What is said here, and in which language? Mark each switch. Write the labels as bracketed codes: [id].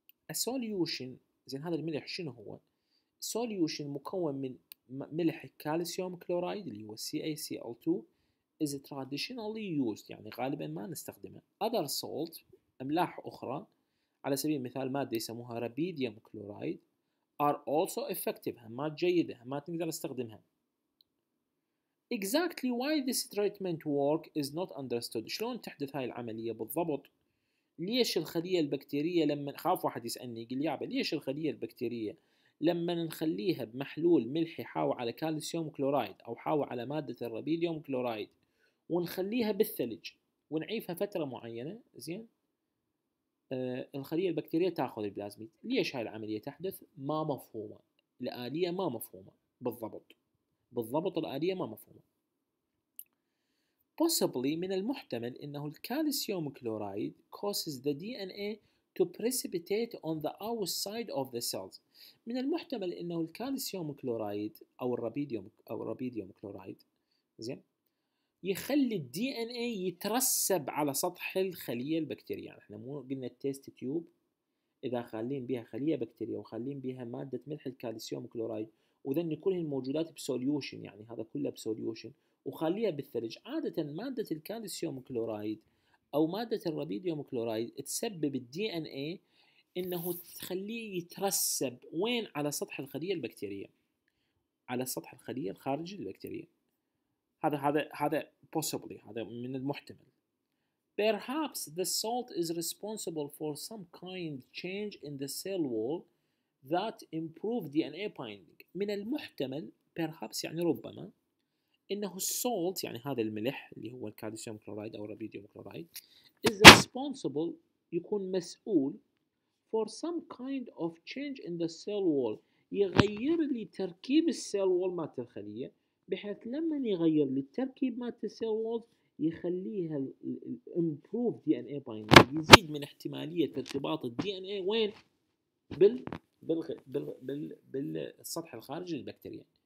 [ar] السوليوشن زين هذا الملح شنو هو؟ السوليوشن مكون من ملح كالسيوم كلورايد اللي هو CaCl2 [en] is traditionally used [ar] يعني غالبا ما نستخدمه. [en] Other salt [ar] املاح اخرى على سبيل المثال ماده يسموها رابيديوم كلورايد ار اولسو افكتيف، هم ماده جيده ما تقدر استخدمها. [en] Exactly why this treatment work is not understood. [ar] شلون تحدث هاي العملية بالضبط؟ ليش الخلية البكتيرية لما خاف واحد يسألني يقول يابا ليش الخلية البكتيرية لما نخليها بمحلول ملحي حاوى على كالسيوم كلورايد أو حاوى على مادة الرابيديوم كلورايد ونخليها بالثلج ونعيفها فترة معينة زين الخلية البكتيرية تأخذ البلازميد؟ ليش هاي العملية تحدث؟ ما مفهومة الآلية، ما مفهومة بالضبط، بالضبط الآلية ما مفهومة. [en] Possibly [ar] من المحتمل أنه الكالسيوم كلورايد [en] causes the DNA to precipitate on the outside of the cells. [ar] من المحتمل أنه الكالسيوم كلورايد أو الرابيديوم أو الرابيديوم كلورايد زين يخلي الـ DNA يترسب على سطح الخلية البكتيرية. يعني إحنا مو قلنا التيست تيوب إذا خالين بها خلية بكتيرية وخالين بها مادة ملح الكالسيوم كلورايد وذن كل الموجودات بسوليوشن، يعني هذا كله بسوليوشن وخليها بالثلج، عادة مادة الكالسيوم كلورايد أو مادة الرابيديوم كلورايد تسبب الـ DNA إنه تخليه يترسب وين؟ على سطح الخلية البكتيرية، على سطح الخلية الخارجية البكتيرية. هذا هذا هذا possibly، هذا من المحتمل. [en] Perhaps the salt is responsible for some kind change in the cell wall that improve DNA binding. [ar] من المحتمل perhaps يعني ربما إنه السولت يعني هذا الملح اللي هو الكالسيوم كلورايد أو الرابيديوم كلورايد [en] is responsible [ar] يكون مسؤول [en] for some kind of change in the cell wall، [ar] يغير لي تركيب السيل وول مات الخلية بحيث لما يغير لي التركيب مات السيل وول يخليها [en] improve DNA binding، [ar] يزيد من احتمالية ارتباط DNA وين؟ بال بال بال بالسطح الخارجي للبكتيريا.